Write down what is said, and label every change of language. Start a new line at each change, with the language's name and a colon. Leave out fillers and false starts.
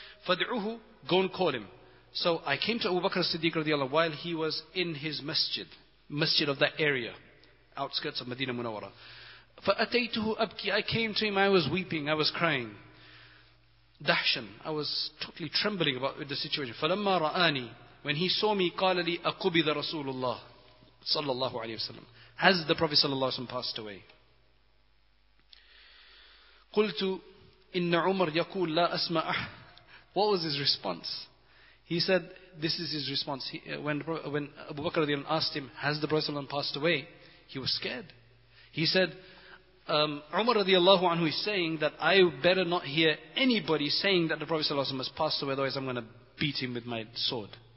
English: Fadi'uhu, go and call him. So, I came to Abu Bakr as-Siddiq radiallahu while he was in his masjid of that area, outskirts of Medina Munawwara.
Arabic: Fa'ataytuhu abki,
English: I came to him, I was weeping, I was crying. Dahshan, I was totally trembling about the situation.
Arabic: فَلَمَّا رَآنِي,
English: when he saw me,
Arabic: قَالَ لِي أَقُبِذَ رَسُولُ اللَّهِ صلى الله عليه وسلم.
English: Has the Prophet صلى الله عليه وسلم passed away?
Arabic: قُلْتُ إِنَّ عُمَرْ يَقُولَ لَا أَسْمَعَهُ.
English: What was his response? He said, this is his response. When Abu Bakr asked him, has the Prophet ﷺ passed away? He was scared. He said, Umar radiallahu anhu is saying that I better not hear anybody saying that the Prophet ﷺ has passed away, otherwise I'm going to beat him with my sword.